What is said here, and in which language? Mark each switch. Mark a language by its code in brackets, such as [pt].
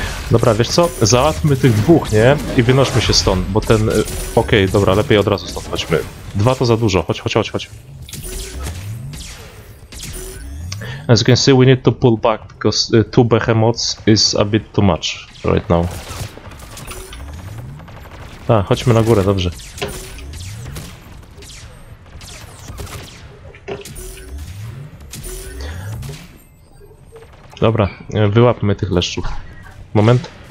[pl] Dobra, wiesz co? Załatwmy tych dwóch, nie? I wynośmy się stąd, bo ten... Okej, dobra, lepiej od razu stąd chodźmy. Dwa to za dużo. Chodź. [en] As you can see, we need to pull back, because two behemoths is a bit too much right now. [pl] A, chodźmy na górę, dobrze. Dobra, wyłapmy tych leszczów. Moment.